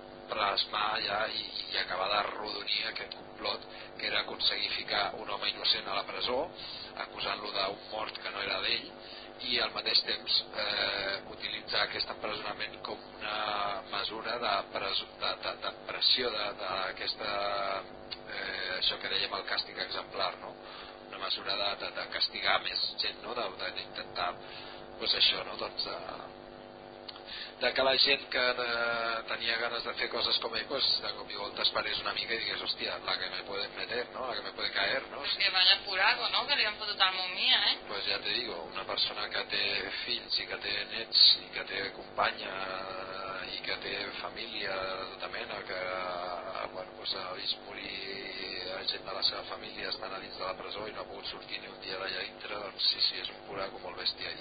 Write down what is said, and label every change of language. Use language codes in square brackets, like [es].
[ca] plasmar ja i acabar d'arrodonir aquest complot, que era aconseguir ficar un home innocent a la presó acusant-lo d'un mort que no era d'ell, i al mateix temps utilitzar aquest empresonament com una mesura de pressió d'aquesta això que dèiem el càstig exemplar, no? Una mesura de castigar més gent, no? d'intentar pues això, no? Doncs de que la gent que tenia ganes de fer coses com ell, pues, de cop i volta es parés una mica i digués, hòstia, [es] la que me puede meter, no? La que me puede caer, no? Pues que vaya furago, no? Que [ca] li han fotut al Mumia, [es] eh? [ca] Pues ja te digo, una persona que té fills i que té nets i que té companya i que té família de tota mena, que bueno, pues, ha vist morir la gent de la seva família estant a dins de la presó i no ha pogut sortir ni un dia d'allà dintre, doncs sí, és un puraco molt bèstia.